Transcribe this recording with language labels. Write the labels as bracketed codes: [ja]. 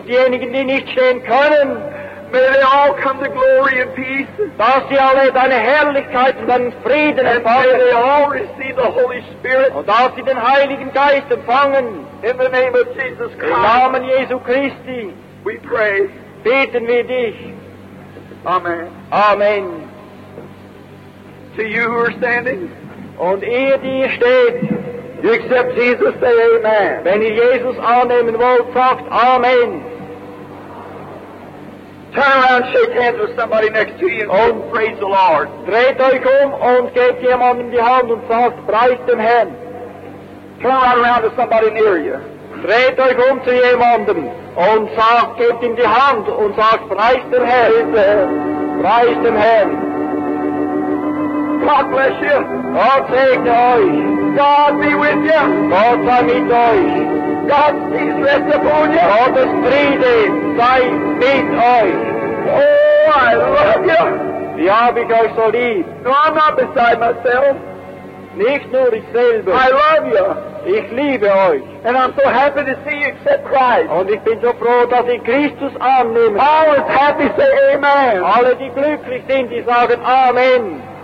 [de] Und diejenigen, die nicht stehen können. [en] May they all come to glory and peace. [de] Dass sie alle deine Herrlichkeit und deinen Frieden empfangen. [en] And may they all receive the Holy Spirit. [de] Und dass sie den Heiligen Geist empfangen. [en] In the name of Jesus Christ. [de] Im Namen Jesu Christi. [en] We pray. [de] Beten wir dich. [en] Amen. [de] Amen. [en] To you who are standing. [de] Und ihr, die ihr steht. [en] You accept Jesus, say amen. [de] Wenn ihr Jesus annehmen wollt, sagt amen. [en] Turn around, shake hands with somebody next to you and praise the Lord. [de] Dreht euch und gebt jemandem die Hand und sagt, preist dem Herrn. [en] Turn right around to somebody near you. [de] Dreht euch zu jemandem und sagt, gebt ihm die Hand und sagt, preist dem Herrn. Preist dem Herrn. [en] God bless you. [de] Gott segne euch. [en] God be with you. [de] Gott sei mit euch. [en] God's peace rest upon you. [de] Gottes Friede sei mit euch. [en] Oh, I love you. [de] Ja, wie ich euch so lieb. [en] No, I'm not beside myself. [de] Nicht nur ich selber. [en] I love you. [de] Ich liebe euch. [en] And I'm so happy to see you accept Christ. [de] Und ich bin so froh, dass ich Christus annehme. [en] All is happy, say amen. [de] Alle, die glücklich sind, die sagen amen.